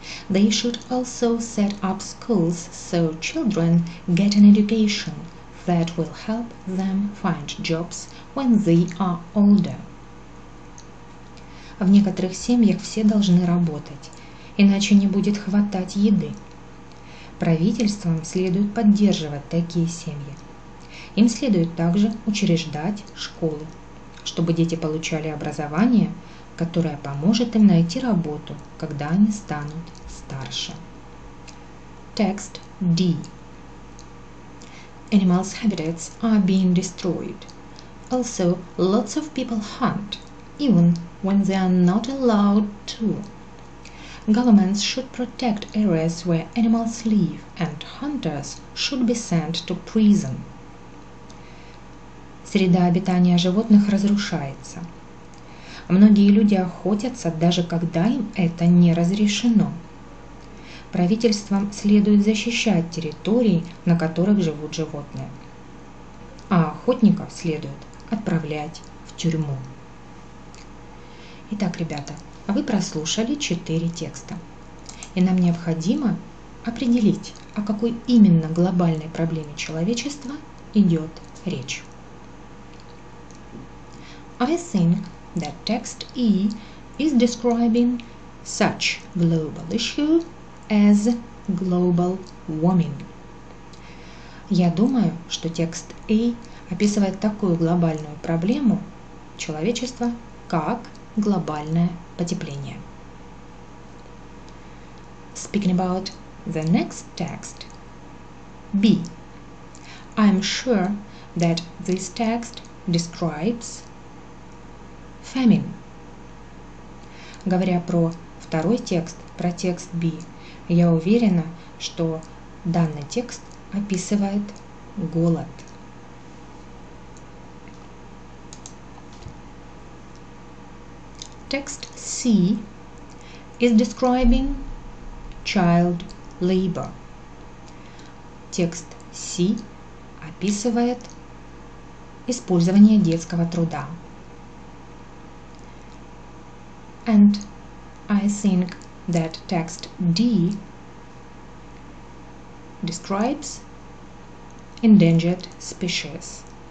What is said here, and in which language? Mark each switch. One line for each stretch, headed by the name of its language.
English: They should also set up schools so children get an education that will help them find jobs when they are older.
Russian: В некоторых семьях все должны работать, иначе не будет хватать еды. Правительствам следует поддерживать такие семьи. Им следует также учреждать школы, чтобы дети получали образование, которая поможет им найти работу, когда они станут старше.
English: Text D. Animals' habitats are being destroyed. Also, lots of people hunt, even when they are not allowed to. Governments should protect areas where animals live, and hunters should be sent to prison.
Russian: Среда обитания животных разрушается. Многие люди охотятся, даже когда им это не разрешено. Правительствам следует защищать территории, на которых живут животные. А охотников следует отправлять в тюрьму. Итак, ребята, вы прослушали 4 текста. И нам необходимо определить, о какой именно глобальной проблеме человечества идет речь.
English: I think that text E is describing such global issue as global warming.
Russian: Я думаю, что текст E описывает такую глобальную проблему человечества, как глобальное потепление.
English: Speaking about the next text, B. I'm sure that this text describes famine.
Russian: Говоря про второй текст, про текст B, я уверена, что данный текст описывает голод.
English: Text C is describing child labor.
Russian: Текст C описывает использование детского труда.
English: And I think that text D describes endangered species.